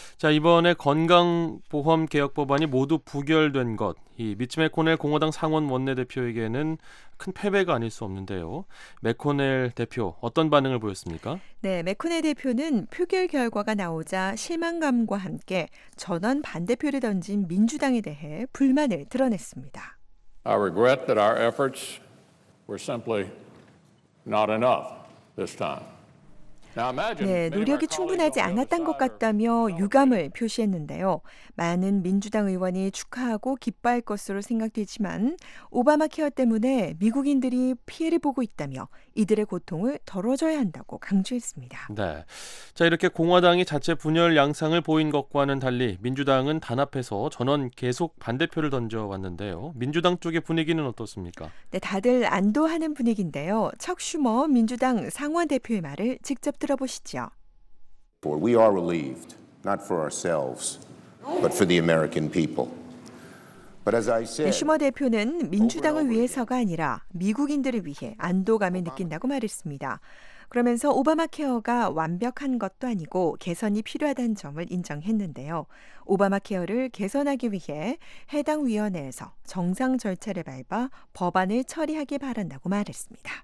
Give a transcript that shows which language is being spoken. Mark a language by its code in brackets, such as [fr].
[ko] 자, 이번에 건강보험 개혁 법안이 모두 부결된 것, 이 미치 맥코넬 공화당 상원 원내대표에게는 큰 패배가 아닐 수 없는데요. 맥코넬 대표 어떤 반응을 보였습니까? 네, 맥코넬 대표는 표결 결과가 나오자 실망감과 함께 전원 반대표를 던진 민주당에 대해 불만을 드러냈습니다. [en] I regret that our efforts were simply not enough this time. [ko] 네, 노력이 충분하지 않았던 것 같다며 유감을 표시했는데요. 많은 민주당 의원이 축하하고 기뻐할 것으로 생각되지만 오바마 케어 때문에 미국인들이 피해를 보고 있다며 이들의 고통을 덜어줘야 한다고 강조했습니다. 네, 자 이렇게 공화당이 자체 분열 양상을 보인 것과는 달리 민주당은 단합해서 전원 계속 반대표를 던져왔는데요. 민주당 쪽의 분위기는 어떻습니까? 네, 다들 안도하는 분위기인데요. 척 슈머 민주당 상원 대표의 말을 직접 들어보시죠. [en] For we are relieved, not for ourselves, but for the American people. But as I said, [ko] 슈머 대표는 민주당을 위해서가 아니라 미국인들을 위해 안도감을 느낀다고 말했습니다. 그러면서 오바마 케어가 완벽한 것도 아니고 개선이 필요하다는 점을 인정했는데요. 오바마 케어를 개선하기 위해 해당 위원회에서 정상 절차를 밟아 법안을 처리하기 바란다고 말했습니다.